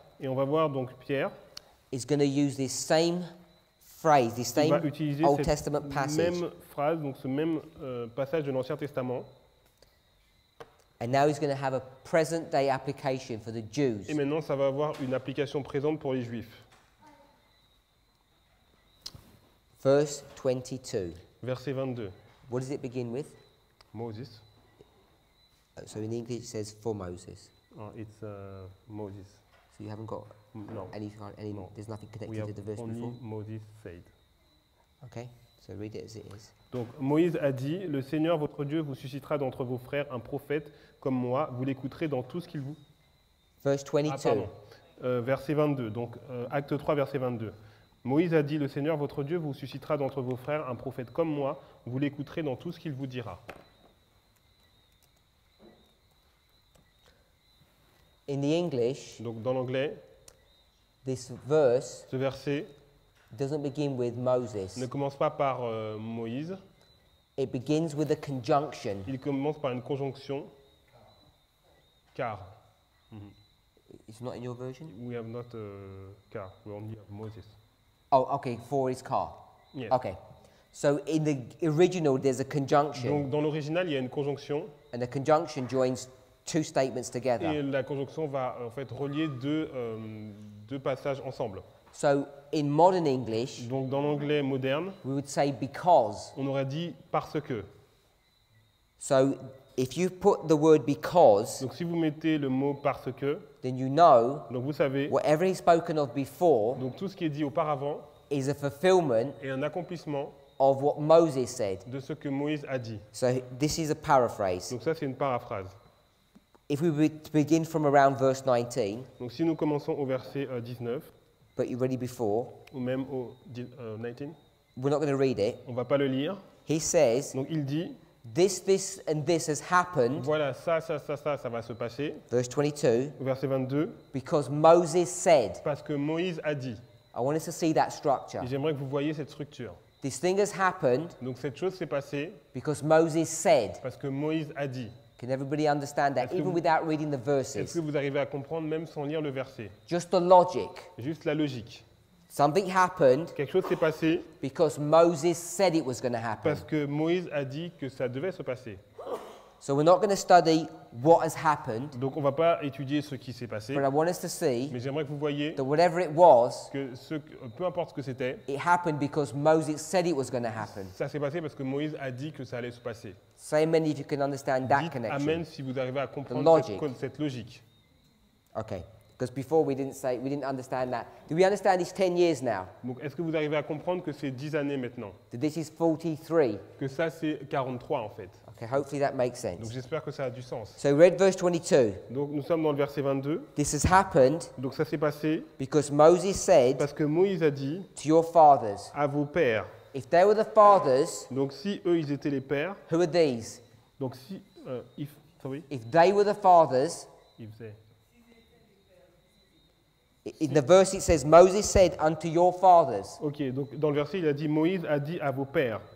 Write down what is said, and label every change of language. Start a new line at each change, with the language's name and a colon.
French: Et on va voir donc Pierre.
English: Is going to use this same phrase, this same Old Testament passage.
French: Cette même phrase, donc ce même passage de l'Ancien Testament.
English: And now he's going to have a present-day application for the Jews.
French: Et maintenant, ça va avoir une application présente pour les Juifs.
English: Verse 22.
French: Verset 22.
English: What does it begin with? Moses. So in English, it says for Moses. Oh, it's Moses. So you haven't got any. No. There's nothing connected to the verse only before. Moses said. Okay. So read it as it is.
French: Donc Moïse a dit, le Seigneur votre Dieu vous suscitera d'entre vos frères un prophète comme moi, vous l'écouterez dans tout ce qu'il vous...
English: Verse 22.
French: Verset 22, donc acte 3, verset 22. Moïse a dit, le Seigneur votre Dieu vous suscitera d'entre vos frères un prophète comme moi, vous l'écouterez dans tout ce qu'il vous dira.
English: In the English,
French: donc dans l'anglais,
English: this verse,
French: ce verset...
English: Doesn't begin with Moses.
French: Ne commence pas par Moïse.
English: It begins with a conjunction.
French: Il commence par une conjonction. Car.
English: It's not in your version? We have not car. We only have Moses. Oh, okay. For is car. Yes. Okay. So in the original, there's a conjunction.
French: Donc dans l'original, il y a une conjunction.
English: And the conjunction joins two statements together.
French: Et la conjonction va en fait relier deux passages ensemble.
English: So in modern English,
French: donc dans l'anglais moderne,
English: we would say because.
French: On aurait dit parce que.
English: So if you put the word because,
French: donc si vous mettez le mot parce que,
English: then you know,
French: donc vous savez,
English: whatever he's spoken of before,
French: donc tout ce qui est dit auparavant,
English: is a fulfillment,
French: et un accomplissement,
English: of what Moses said,
French: de ce que Moïse a dit.
English: So this is a paraphrase.
French: Donc ça c'est une paraphrase.
English: If we begin from around verse 19,
French: donc si nous commençons au verset 19.
English: But you already before.
French: Ou même au 19.
English: We're not going to read it.
French: On va pas le lire.
English: He says.
French: Donc il dit.
English: This and this has happened.
French: Voilà, ça va se passer.
English: Verse 22.
French: Verset 22.
English: Because Moses said.
French: Parce que Moïse a dit.
English: I want us to see that structure.
French: Et j'aimerais que vous voyez cette structure.
English: This thing has happened.
French: Donc cette chose s'est passée.
English: Because Moses said.
French: Parce que Moïse a dit.
English: Can everybody understand that, even without reading the verses?
French: Est-ce que vous arrivez à comprendre même sans lire le verset?
English: Just the logic.
French: Juste la logique.
English: Something happened.
French: Quelque chose s'est passé.
English: Because Moses said it was going to happen.
French: Parce que Moïse a dit que ça devait se passer.
English: So we're not going to study what has happened.
French: Donc on va pas étudier ce qui s'est passé.
English: But I want us to see.
French: Mais j'aimerais que vous voyiez.
English: That whatever it was.
French: Que ce, peu importe ce que c'était.
English: It happened because Moses said it was going to happen.
French: Ça s'est passé parce que Moïse a dit que ça allait se passer.
English: Say amen if you can understand that connection.
French: Amen si vous arrivez à comprendre cette logique.
English: Okay. Because before we didn't understand that. Do we understand it's 10 years now?
French: Donc est-ce que vous arrivez à comprendre que c'est 10 années maintenant?
English: That this is 43.
French: Que ça c'est 43 en fait.
English: Okay, hopefully that makes sense.
French: Donc j'espère que ça a du sens.
English: So read verse 22.
French: Donc nous sommes dans le verset 22.
English: This has happened.
French: Donc ça s'est passé.
English: Because Moses said.
French: Parce que Moïse a dit.
English: To your fathers.
French: À vos pères.
English: If they were the fathers.
French: Donc si eux ils étaient les pères.
English: Who are these?
French: Donc si
English: If they were the fathers. If they. In the verse it says Moses said unto your fathers.
French: OK, donc dans le verset il a dit Moïse a dit à vos pères.